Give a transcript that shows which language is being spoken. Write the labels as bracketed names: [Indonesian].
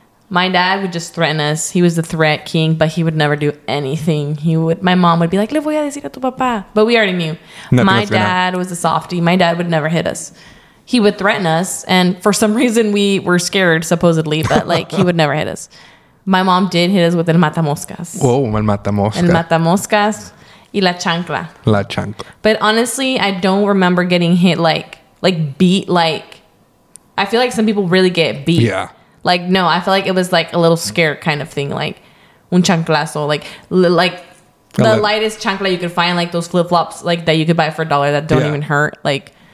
[English] My dad would just threaten us. He was the threat king, but he would never do anything. My mom would be like, [Spanish] le voy a decir a tu papá. [English] But we already knew. My dad was a softy. My dad would never hit us. He would threaten us, and for some reason, we were scared, supposedly, but, like, he would never hit us. My mom did hit us with el matamoscas. [Spanish] Whoa, el matamoscas. El matamoscas y la chancla. La chancla. [English] But honestly, I don't remember getting hit, like beat, like, I feel like some people really get beat. Yeah. Like, no, I feel like it was, like, a little scare kind of thing, like, un chanclazo, like the lightest chancla you could find, like, those flip-flops, like, that you could buy for a dollar that don't even hurt, like.